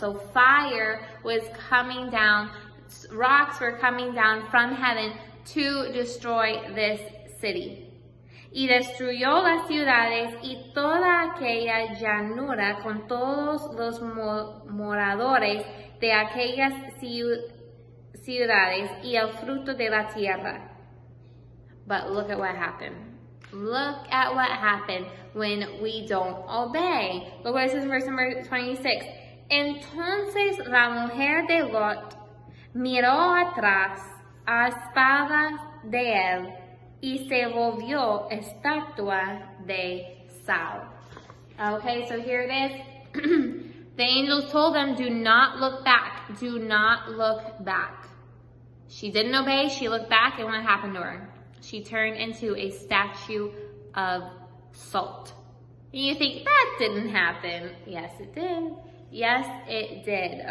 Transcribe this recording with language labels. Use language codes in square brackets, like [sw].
[en] So fire was coming down, rocks were coming down from heaven to destroy this city. [es] Y destruyó las ciudades y toda aquella llanura con todos los moradores de aquellas ciudades y el fruto de la tierra. [en] But look at what happened. Look at what happened when we don't obey. Look what it says in verse number 26. [es] Entonces la mujer de Lot miró atrás a espaldas de él y se volvió estatua de sal. [en] Okay, so here it is. The angels told them, do not look back. Do not look back. She didn't obey. She looked back, and what happened to her? She turned into a statue of salt. And you think, that didn't happen. Yes, it did. Yes, it did.